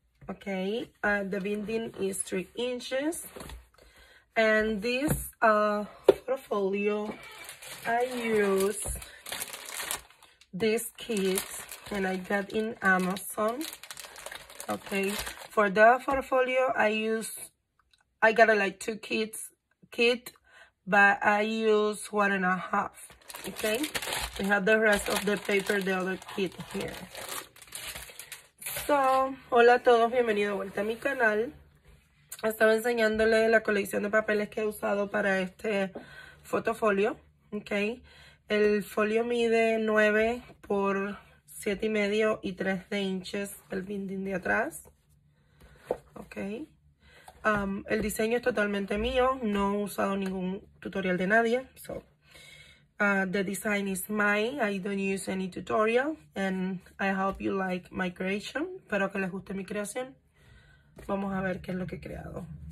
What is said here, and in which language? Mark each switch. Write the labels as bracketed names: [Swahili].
[English] Okay, the binding is 3 inches. And this photo folio, I use this kit and I got in Amazon. Okay. For the portfolio, I got like 2 kits, but I use 1.5. Okay, we have the rest of the paper, the other kit here. [Spanish] So, hola a todos, bienvenido de vuelta a mi canal. Estaba enseñándole la colección de papeles que he usado para este portfolio. Okay, el folio mide 9 por 7.5 y 3 inches el binding de atrás. Okay. El diseño es totalmente mío, no he usado ningún tutorial de nadie. [English] So, the design is mine, I don't use any tutorial, and I hope you like my creation. [Spanish] Espero que les guste mi creación. Vamos a ver qué es lo que he creado.